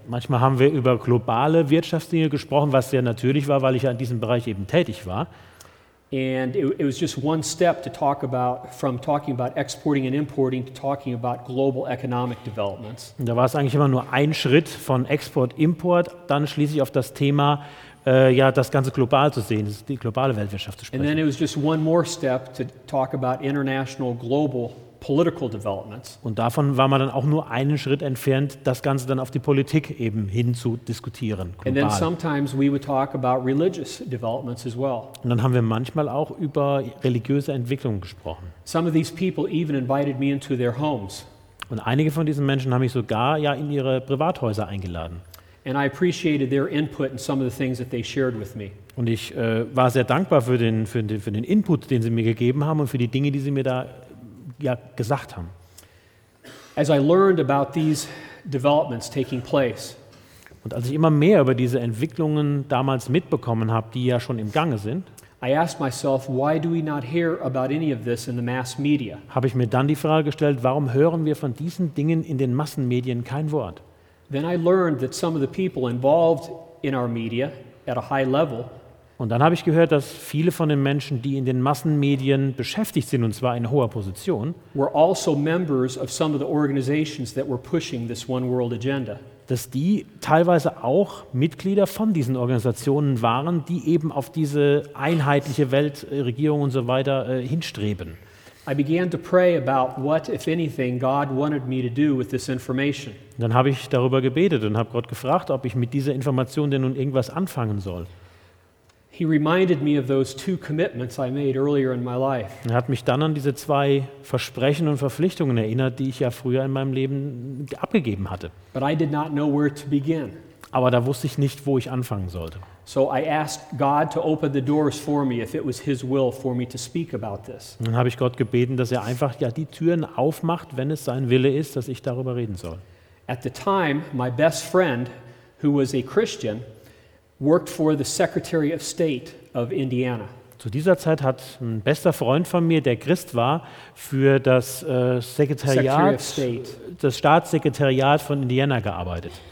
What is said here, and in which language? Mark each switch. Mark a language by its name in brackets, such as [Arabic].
[German] Manchmal haben wir über globale Wirtschaftsdinge gesprochen, was sehr natürlich war, weil ich ja in diesem Bereich eben tätig war. [English] And it was just one step to talk about, from talking about exporting and importing to talking about global economic developments. [German] Da war es eigentlich immer nur ein Schritt von Export, Import, dann schließlich auf das Thema, das Ganze global zu sehen, die globale Weltwirtschaft zu sprechen. [English] And then it was just one more step to talk about international global political developments. [German] Und davon war man dann auch nur einen Schritt entfernt, das Ganze dann auf die Politik eben hin zu diskutieren, global. [English] And then sometimes we would talk about religious developments as well. [German] Und dann haben wir manchmal auch über religiöse Entwicklungen gesprochen. [English] Some of these people even invited me into their homes. [German] Und einige von diesen Menschen haben mich sogar ja in ihre Privathäuser eingeladen. [English] And I appreciated their input in some of the things that they shared with me. [German] Und ich war sehr dankbar für den Input, den sie mir gegeben haben und für die Dinge, die sie mir da gesagt haben. [English] As I learned about these developments taking place. [German] Und als ich immer mehr über diese Entwicklungen damals mitbekommen habe, die ja schon im Gange sind, [English] I asked myself, why do we not hear about any of this in the mass media? [German] Habe ich mir dann die Frage gestellt, warum hören wir von diesen Dingen in den Massenmedien kein Wort? [English] Then I learned that some of the people involved in our media at a high level. [German] Und dann habe ich gehört, dass viele von den Menschen, die in den Massenmedien beschäftigt sind, und zwar in hoher Position, [English] were also members of some of the organizations that were pushing this One World Agenda. [German] Dass die teilweise auch Mitglieder von diesen Organisationen waren, die eben auf diese einheitliche Weltregierung und so weiter hinstreben. [English] I began to pray about what, if anything, God wanted me to do with this information. [German] Dann habe ich darüber gebetet und habe Gott gefragt, ob ich mit dieser Information denn nun irgendwas anfangen soll. [English] He reminded me of those two commitments I made earlier in my life. [German] Er hat mich dann an diese zwei Versprechen und Verpflichtungen erinnert, die ich ja früher in meinem Leben abgegeben hatte. [English] But I did not know where to begin. [German] Aber da wusste ich nicht, wo ich anfangen sollte. [English] So I asked God to open the doors for me if it was his will for me to speak about this. [German] Und dann habe ich Gott gebeten, dass er einfach ja die Türen aufmacht, wenn es sein Wille ist, dass ich darüber reden soll. [English] At the time, my best friend, who was a Christian, worked for the Secretary of State of Indiana. [German] Zu dieser Zeit hat ein bester Freund von mir, der Christ war, für das Staatssekretariat von Indiana gearbeitet.